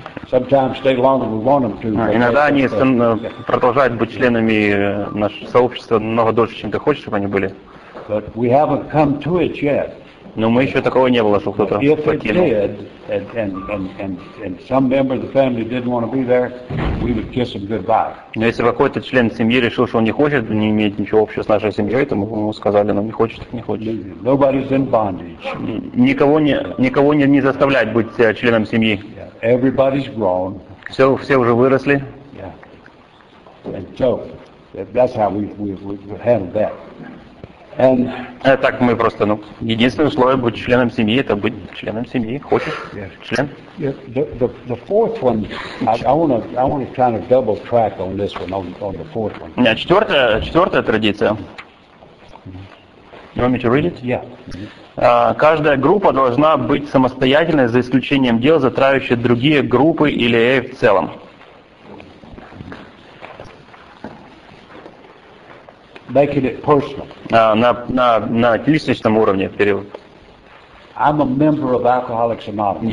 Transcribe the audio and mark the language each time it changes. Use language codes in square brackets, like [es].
[en] Sometimes stay longer than we want them to. [ru] Иногда они продолжают быть членами нашего сообщества намного дольше, чем ты хочешь, чтобы они были. [en] But we haven't come to it yet. [ru] Но мы еще такого не было, что кто-то покинул. [en] If it did, and some member of the family didn't want to be there, we would kiss him goodbye. [ru] Но если какой-то член семьи решил, что он не хочет, не имеет ничего общего с нашей семьей, то мы ему сказали, ну не хочет, не хочет. [en] Nobody's in bondage. [ru] Никого не заставляют быть членом семьи. [en] Everybody's grown. [ru] Все уже выросли. [en] Yeah. And so that's how we handle that. [ru] Так мы просто, единственное условие быть членом семьи, это быть членом семьи. Хочешь? [en] Yes. [ru] Член? [en] The fourth one, I want to kind of double track on this one, on the fourth one. Yeah, [ru] четвертая традиция. [en] You want me to read it? Yeah. [ru] Каждая группа должна быть самостоятельной, за исключением дел, затравивающих другие группы или в целом. [en] Making it personal. [ru] На личностном уровне период. [en] I'm a member of Alcoholics Anonymous.